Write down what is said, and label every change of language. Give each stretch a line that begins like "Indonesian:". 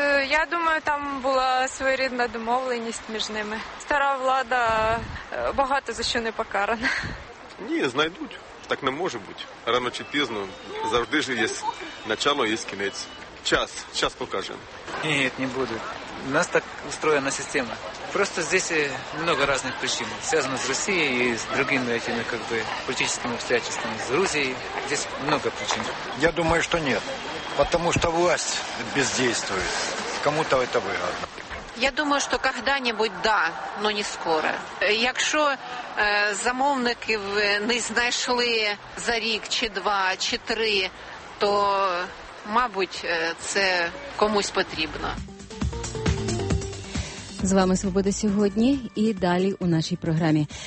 Ukrainian: Я думаю, там була своєрідна домовленість між ними. Стара влада багато за що не покарана. Ні, знайдуть. Так не може бути. Рано чи пізно. Завжди ж є начало, є кінець. Час покаже. Ні, не буде. У нас так устроєна система.
Russian: Просто здесь много разных причин. Связано с Россией и с другими этими политическими обстоятельствами. С Грузией здесь много причин. Я думаю, что нет. Потому что власть бездействует. Кому-то это выгодно. Я думаю, что когда-нибудь да, но не скоро.
Ukrainian: Якщо замовників не знайшли за рік, чи два, чи три, то, мабуть, це комусь потрібно. З вами «Свобода сьогодні» і далі у нашій програмі.